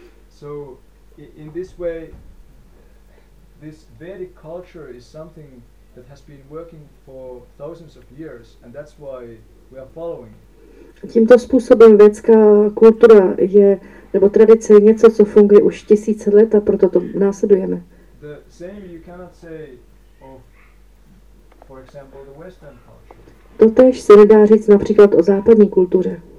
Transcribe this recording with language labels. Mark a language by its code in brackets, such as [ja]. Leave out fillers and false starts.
[en] So, in this way, this Vedic culture is something that has been working for thousands of years, and that's why we are following. [cs] Tímto způsobem vědecká kultura je, nebo tradice je něco, co funguje už tisíce let, a proto to následujeme. [en] The same you cannot say of, for example, the Western culture. [cs] To též se nedá říct například o západní kultuře.